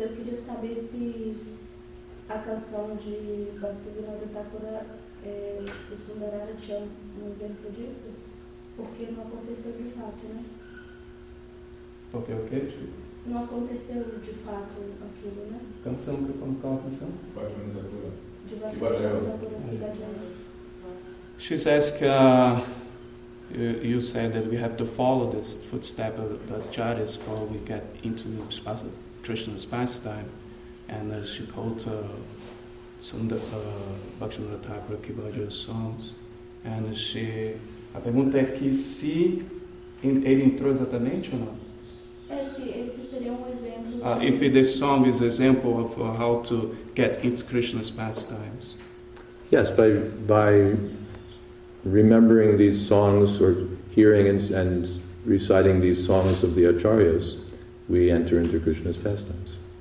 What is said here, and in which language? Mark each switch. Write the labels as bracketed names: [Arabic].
[Portuguese] Eu queria saber se a canção de Bhaktivinoda Thakur, o Sundarara, tinha um exemplo disso, porque não aconteceu de fato, né? Porque o quê? Não aconteceu de fato aquilo, né? Canção, como é uma canção? De Bhaktivinoda Thakur. [English] She's asked, you said that we have to follow this footstep of the acharyas before we get into Krishna's pastime. And as she quotes Bhaktivinoda Thakur, Kibajaya's songs. And she. [Portuguese] A pergunta é que se ele entrou exatamente ou não? Esse seria um exemplo. [English] If this song is an example of how to get into Krishna's pastimes. Yes, by remembering these songs or hearing and reciting these songs of the acharyas, we enter into Krishna's pastimes.